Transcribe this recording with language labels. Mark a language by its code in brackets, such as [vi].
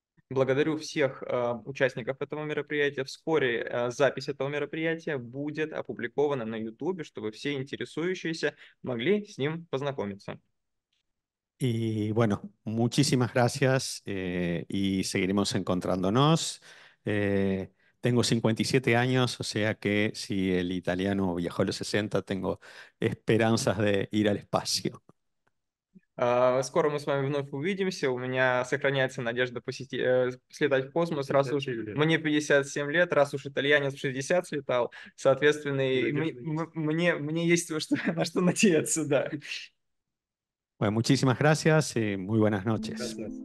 [ru] Благодарю всех участников этого мероприятия. Вскоре запись этого мероприятия будет опубликована на YouTube, чтобы все интересующиеся могли с ним познакомиться. [es] Y bueno, muchísimas gracias y seguiremos encontrándonos. Tengo 57 años, o sea que si el italiano viajó a los 60, tengo esperanzas de ir al espacio. [ru] Скоро мы с вами вновь увидимся. У меня сохраняется надежда слетать в космос. Раз уж мне 57 лет, раз уж итальянец 60 слетал, соответственно, мне есть на что надеяться, да. [es] Bueno, muchísimas gracias y muy buenas noches.